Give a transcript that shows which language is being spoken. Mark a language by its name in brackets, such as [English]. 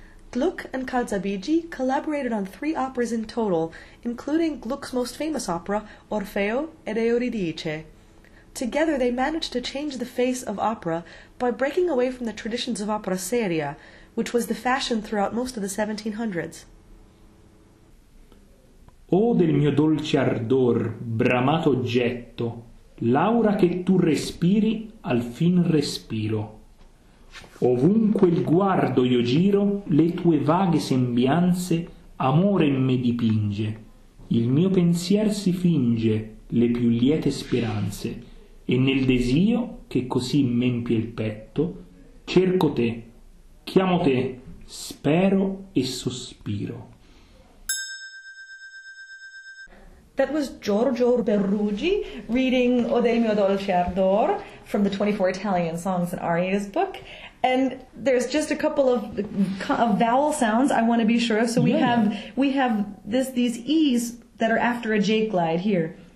[English] Gluck and Calzabigi collaborated on three operas in total, including Gluck's most famous opera, Orfeo ed Euridice. Together, they managed to change the face of opera by breaking away from the traditions of opera seria, which was the fashion throughout most of the 1700s. [Italian] O del mio dolce ardor, bramato oggetto, l'aura che tu respiri al fin respiro. Ovunque il guardo io giro, le tue vaghe sembianze amore in me dipinge. Il mio pensier si finge le più liete speranze, e nel desio che così m'empie il petto, cerco te, chiamo te, spero e sospiro. [English] That was Giorgio Berruggi reading O del mio dolce ardor from the 24 Italian Songs and Arias book. And there's just a couple of vowel sounds I want to be sure of. So we have these E's that are after a J glide here.